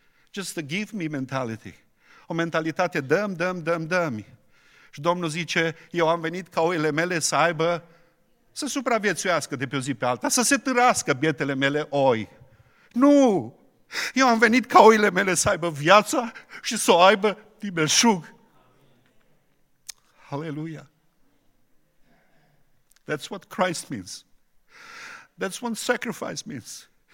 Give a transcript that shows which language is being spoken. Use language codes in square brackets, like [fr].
[en] Just a give me mentality. [ro] O mentalitate dăm, dăm, dăm, dăm. Și Domnul zice, eu am venit ca oile mele să aibă să supraviețuiască de pe o zi pe alta, să se târască bietele mele oi. Nu! Eu am venit ca oile mele să aibă viața și să o aibă din belșug. Aleluia! [en] That's what Christ means. That's what sacrifice means.